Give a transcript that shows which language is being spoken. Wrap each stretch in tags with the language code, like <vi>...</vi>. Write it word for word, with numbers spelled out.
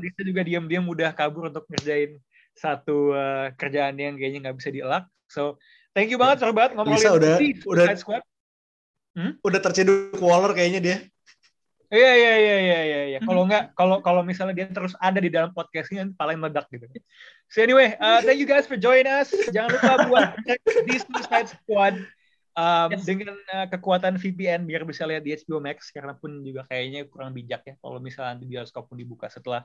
<id>Lisa juga diam-diam udah kabur untuk ngerjain satu uh, kerjaan yang kayaknya nggak bisa dielak.</id> <en>So thank you banget Sorbat ngomongin</en> <id>Lisa udah di, udah</id> <en>squad.</en> <id>Hmm? Udah terciduk Waller kayaknya dia. Iya iya iya iya iya ya. Kalau enggak kalau kalau misalnya dia terus ada di dalam podcast ini paling meledak gitu.</id> <en>So anyway, uh, thank you guys for joining us.</en> <id>Jangan lupa buat</id> <en>check this Suicide Squad um, yes.</en> <id>dengan uh, kekuatan V P N biar bisa lihat di H B O Max karena pun juga kayaknya kurang bijak ya kalau misalnya nanti bioskop pun dibuka setelah</id>